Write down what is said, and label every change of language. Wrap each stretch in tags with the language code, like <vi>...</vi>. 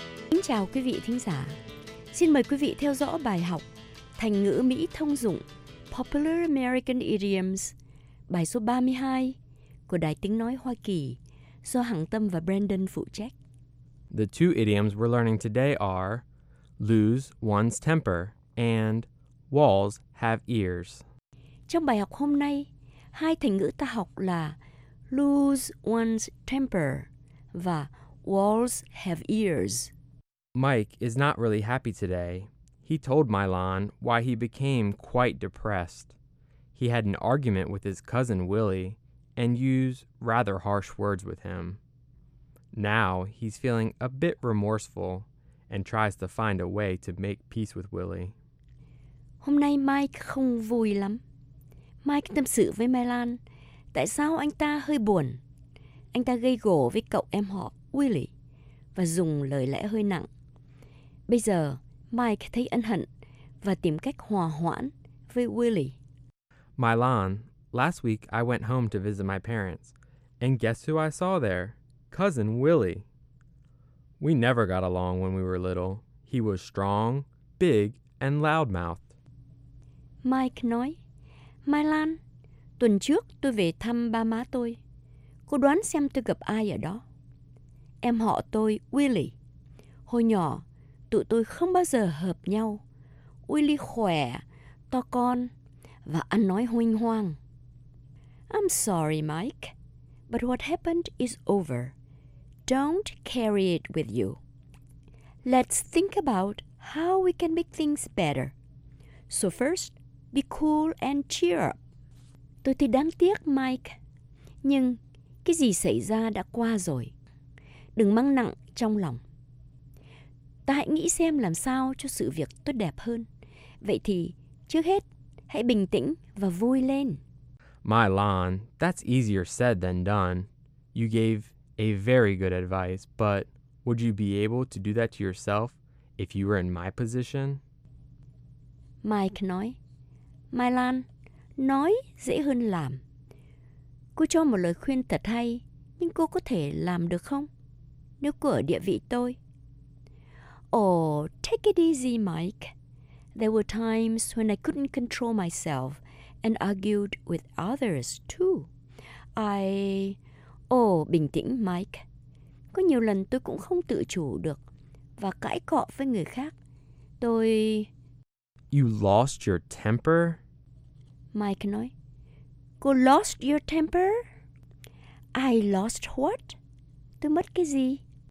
<vi>Xin chào quý vị thính giả. Xin mời quý vị theo dõi bài học thành ngữ Mỹ thông dụng Popular American Idioms, bài số 32 của Đài Tiếng Nói Hoa Kỳ, do Hằng Tâm và Brandon phụ trách.</vi> <en>The two idioms we're learning today are lose one's temper and walls have ears.</en> <vi>Trong bài học hôm nay, hai thành ngữ ta học là</vi> <en>lose one's temper</en> <vi>và</vi> <en>walls have ears. Mike is not really happy today. He told Milan why he became quite depressed. He had an argument with his cousin Willie and use rather harsh words with him. Now he's feeling a bit remorseful and tries to find a way to make peace with Willie.</en> <vi>Hôm nay Mike không vui lắm. Mike tâm sự với Milan tại sao anh ta hơi buồn. Anh ta gây gổ với cậu em họ Willie và dùng lời lẽ hơi nặng. Bây giờ Mike thấy ân hận và tìm cách hòa hoãn với Willie.</vi> <en>Milan, last week I went home to visit my parents, and guess who I saw there? Cousin Willie. We never got along when we were little. He was strong, big, and loud-mouthed.</en> <vi>Mike nói, Milan, tuần trước tôi về thăm ba má tôi. Cô đoán xem tôi gặp ai ở đó. Em họ tôi, Willie. Hồi nhỏ, tụi tôi không bao giờ hợp nhau. Willie khỏe, to con, và ăn nói huênh hoang.</vi> <en>I'm sorry, Mike, but what happened is over. Don't carry it with you. Let's think about how we can make things better. So first, be cool and cheer up.</en> <vi>Tôi thì đáng tiếc, Mike, nhưng cái gì xảy ra đã qua rồi. Đừng mang nặng trong lòng. Ta hãy nghĩ xem làm sao cho sự việc tốt đẹp hơn. Vậy thì, trước hết, hãy bình tĩnh và vui lên.</vi> <en>Milan, that's easier said than done. You gave a very good advice, but would you be able to do that to yourself if you were in my position?</en> <vi>Mike nói, Milan, nói dễ hơn làm. Cô cho một lời khuyên thật hay, nhưng cô có thể làm được không? Nếu cô ở địa vị tôi.</vi> <en>Oh, take it easy, Mike. There were times when I couldn't control myself and argued with others too.</en> <vi>Bình tĩnh, Mike. Có nhiều lần tôi cũng không tự chủ được và cãi cọ với người khác.</vi> <en>You lost your temper?</en> <vi>Mike nói. Cô</vi> <en>lost your temper? I lost what?</en> <vi>Tôi mất cái gì?</vi>